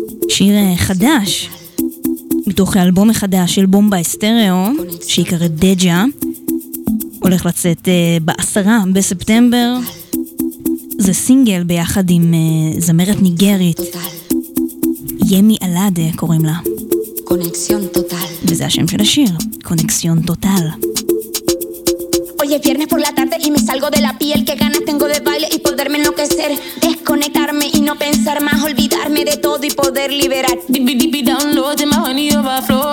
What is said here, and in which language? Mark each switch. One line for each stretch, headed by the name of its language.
Hebrew: שיר חדש מתוך האלבום החדש של בומבה סטריאו שיקרא דג'ה, הולך לצאת בעשרה בספטמבר. זה סינגל ביחד עם זמרת ניגרית, ימי אלאדה קוראים לה. קונקסיון טוטל. וזה השם של השיר, קונקסיון טוטל.
Spanish: Hoy es viernes por la tarde y me salgo de la piel. Qué ganas tengo de baile y poderme enloquecer. Desconectarme y no pensar más. Olvidarme de todo y poder liberar.
English: Deep down low, in my honey overflow.